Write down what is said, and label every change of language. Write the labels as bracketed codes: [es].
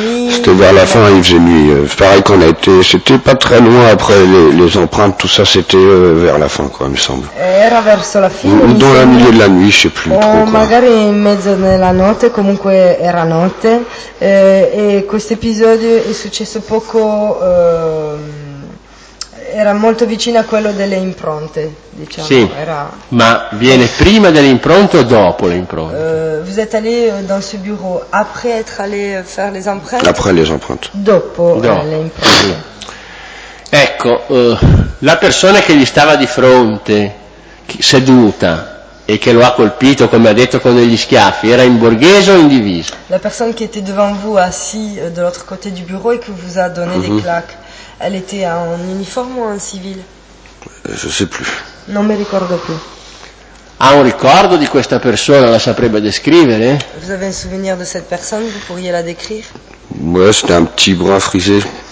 [fr] C'était vers la fin, il faisait nuit. Pareil qu'on a été. C'était pas très loin après les empreintes, tout ça c'était vers la fin, quoi, il me semble. [it] Era verso la fin. [fr] Ou dans la milieu de la nuit, je sais plus. [it] Ou magari in mezzo nella notte, comunque era notte. E questo episodio è successo poco. Era molto vicino a quello delle impronte, diciamo. Sì, era... ma viene prima delle impronte o dopo le impronte? [fr] Vous êtes allé dans ce bureau après être allé faire les empreintes? Après les empreintes. [it] Dopo le impronte. Sì. Ecco, la persona che gli stava di fronte, seduta, e che lo ha colpito, come ha detto, con degli schiaffi, era in borghese o in divisa? La persona che [fr] était devant vous, assis de l'autre côté du bureau, et que vous a donné des claques. Elle était en uniforme ou en civil? Je sais plus. [it] Non mi ricordo più. Ha un ricordo di questa persona, la saprebbe descrivere? [fr] Vous avez un souvenir de cette personne, vous pourriez la décrire? Ouais, c'était un petit brun frisé.